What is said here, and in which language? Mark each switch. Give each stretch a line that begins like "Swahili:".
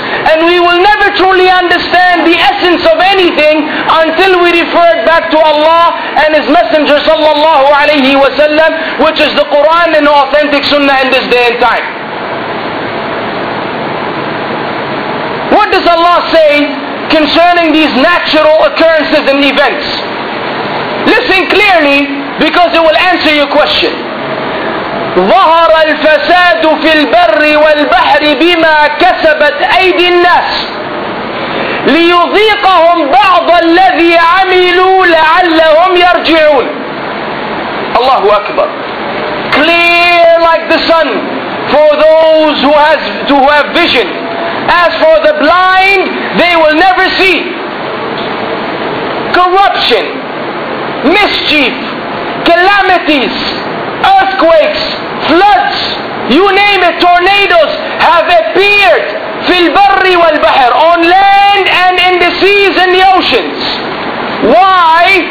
English: And we will never truly understand the essence of anything until we refer back to Allah and His Messenger sallallahu alayhi wa sallam, which is the Quran and authentic Sunnah in this day and time. What does Allah say concerning these natural occurrences and events? Listen clearly because it will answer your question.
Arabic: ظهر الفساد في البر والبحر بما كسبت أيدي الناس ليذيقهم بعض الذي عملوا لعلهم يرجعون. الله أكبر.
English: Clear like the sun for those who have vision. As for the blind, they will never see. Corruption, mischief, calamities, earthquakes, floods, you name it, tornadoes have appeared
Arabic: في البر والبحر,
English: on land and in the seas and the oceans. Why?